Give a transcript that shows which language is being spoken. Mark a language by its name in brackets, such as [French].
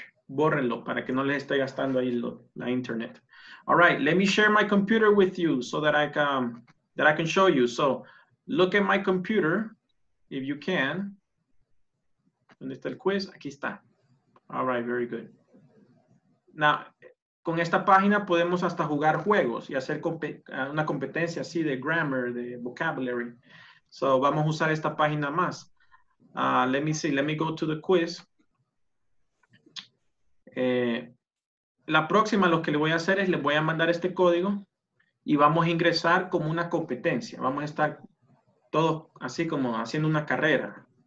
[Spanish] Bórrenlo para que no les esté gastando ahí la internet. [English] All right, let me share my computer with you so that I can show you. So, look at my computer, if you can. [Spanish] ¿Dónde está el quiz? Aquí está. [English] All right, very good. [Spanish] Now, con esta página podemos hasta jugar juegos y hacer una competencia así de grammar, de vocabulary. So, vamos a usar esta página más. [English] Let me see, let me go to the quiz. [Spanish] La próxima, lo que le voy a hacer es, le voy a mandar este código y vamos a ingresar como una competencia. Vamos a estar todos así como haciendo una carrera.